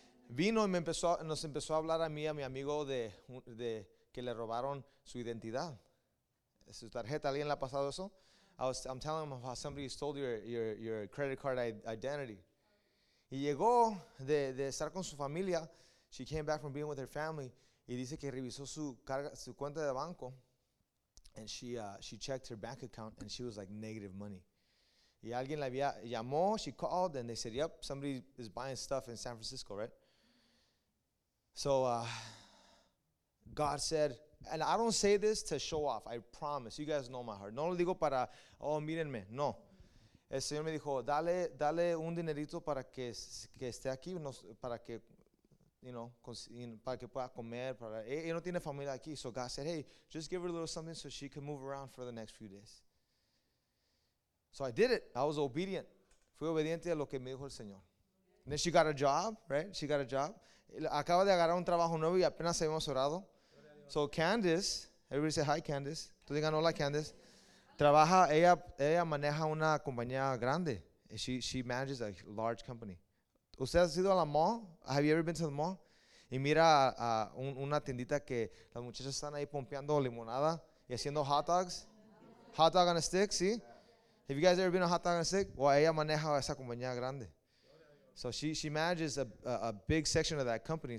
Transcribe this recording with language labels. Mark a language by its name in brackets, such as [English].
[Spanish] Vino y nos empezó a hablar a mí, a mi amigo de que le robaron su identidad. Su tarjeta, ¿alguien le ha pasado eso? [English] I'm telling him how somebody stole your credit card identity. [Spanish] Y llegó de estar con su familia. [English] She came back from being with her family. [Spanish] Y dice que revisó su cuenta de banco, [English] and she checked her bank account, and she was like negative money. [Spanish] Y alguien la había llamó, [English] she called, and they said, yep, somebody is buying stuff in San Francisco, right? So God said, and I don't say this to show off, I promise, you guys know my heart. [Spanish] No lo digo para, oh, mírenme, no. El Señor me dijo, dale un dinerito para que esté aquí, para que... para que pueda comer, para ella no tiene familia aquí. [English] So God said, hey, just give her a little something so she can move around for the next few days. So I did it. I was obedient. [Spanish] Fui obediente a lo que me dijo el Señor. [English] And then she got a job, right? She got a job. [Spanish] Acaba de agarrar un trabajo nuevo y apenas habíamos orado. [English] So Candace, everybody say hi, Candace. [Spanish] Tú digan hola, Candace. Trabaja, ella maneja una compañía grande [English] She manages a large company. [Spanish] ¿Usted ha sido a la mall? [English] Have you ever been to the mall? [Spanish] Y mira una tiendita que las muchachas están ahí pompeando limonada y haciendo hot dogs. [English] Hot dog on a stick, ¿sí? Have you guys ever been a hot dog on a stick? Well, [Spanish] ella maneja esa compañía grande. [English] So she manages a big section of that company.